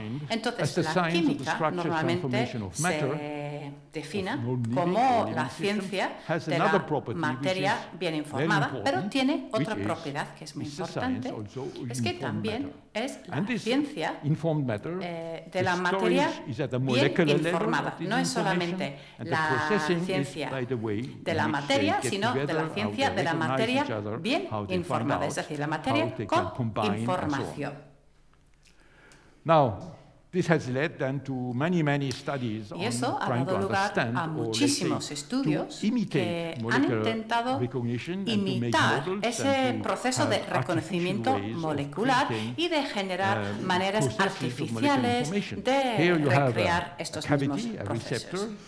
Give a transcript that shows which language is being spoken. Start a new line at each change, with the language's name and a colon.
Spanish: Entonces, la química normalmente se defina como la ciencia de la materia bien informada, pero tiene otra propiedad que es muy importante, es que también es la ciencia de la materia bien informada. No es solamente la ciencia de la materia, sino de la ciencia de la materia bien informada, es decir, la materia con información.
English: Now, This has led then to many, many studies
Spanish: y eso ha dado lugar a muchísimos estudios que han intentado imitar ese proceso de reconocimiento molecular y de generar maneras artificiales de recrear estos mismos procesos.